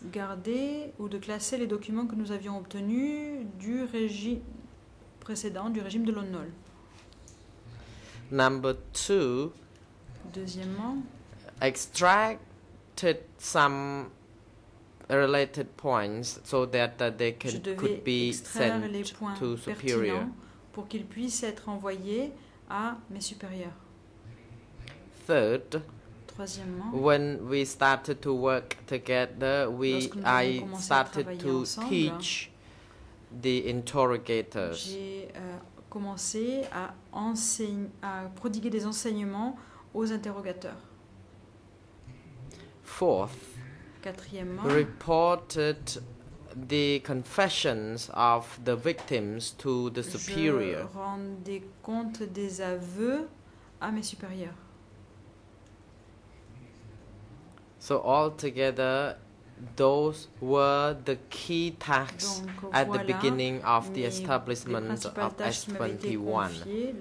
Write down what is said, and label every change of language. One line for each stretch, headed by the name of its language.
French: Garder ou de classer les documents que nous avions obtenus du régime précédent, du régime de Lonnol.
English: Number two,
French: deuxièmement,
English: extracted some related points so that they could be sent to superior.
French: Pour qu'ils puissent être envoyés à mes supérieurs.
English: Third,
French: troisièmement,
English: when we started to work together, we I started to teach the interrogators.
French: J'ai commencé à à prodiguer des enseignements aux interrogateurs.
English: Fourth,
French: quatrièmement,
English: reported the confessions of the victims to the superior.
French: Je rendais compte des aveux à mes supérieurs.
English: So altogether, those were the key tasks at the beginning of the establishment of S21.